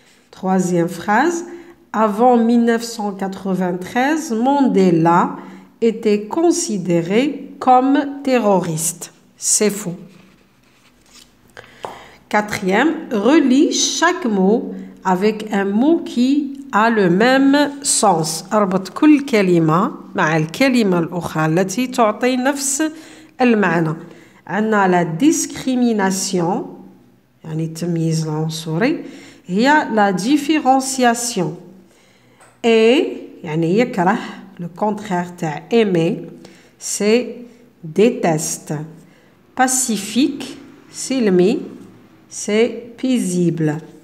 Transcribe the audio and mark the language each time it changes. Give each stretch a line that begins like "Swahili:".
French: Troisième phrase, avant 1993, Mandela était considéré comme terroriste. C'est faux. Quatrième, relis chaque mot avec un mot qui a le même sens.
Arabic: اربط كل كلمة مع الكلمة الأخرى التي تعطي نفس المعنى. عندنا la discrimination, يعني التمييز العنصري, هي la différenciation.
French: Et,
Arabic: يعني يكره,
French: le contraire de aimer, c'est déteste. Pacifique, silmi, c'est paisible.